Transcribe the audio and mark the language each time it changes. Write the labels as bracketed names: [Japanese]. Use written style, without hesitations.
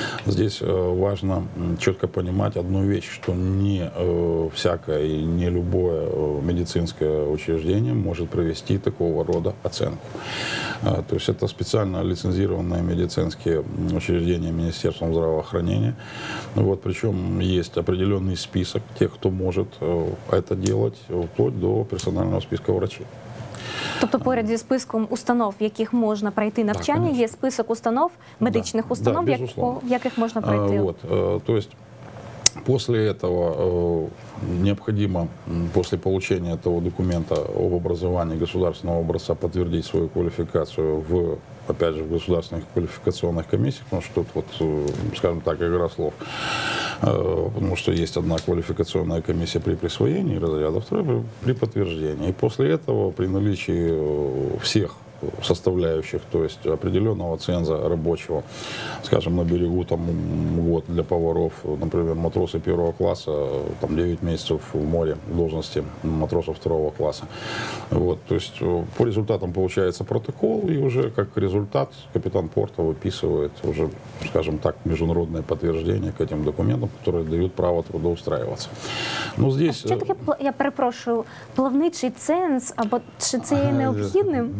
[Russian] Здесь важно четко понимать одну вещь, что не всякое и не любое медицинское учреждение может провести такого рода оценку. То есть это специально лицензированные медицинские учреждения Министерством здравоохранения. Вот, причем есть определенный список тех, кто может это делать, вплоть до персонального списка врачей. [Ukrainian] Тобто поряд зі списком установ, яких можна пройти навчання, так, є список установ, медичних установ, яких можна пройти. [Russian] Вот, то есть после этого необходимо, после получения этого документа об образовании государственного образца, подтвердить свою квалификацию в, опять же, в государственных квалификационных комиссиях, потому что тут вот, скажем так, игра слов, потому что есть одна квалификационная комиссия при присвоении разряда, вторая при подтверждении. И после этого, при наличии всех составляющих, то есть определенного ценза рабочего, скажем, на берегу там год для поваров, например, матросы первого класса, там 9 месяцев в море в должности матроса второго класса. Вот, то есть по результатам получается протокол, и уже как результат капитан порта выписывает уже, скажем так, международное подтверждение к этим документам, которые дают право трудоустраиваться. Ну, здесь... А что такое, [Ukrainian] я перепрошу, плавничий ценз, або чи це є необхідним?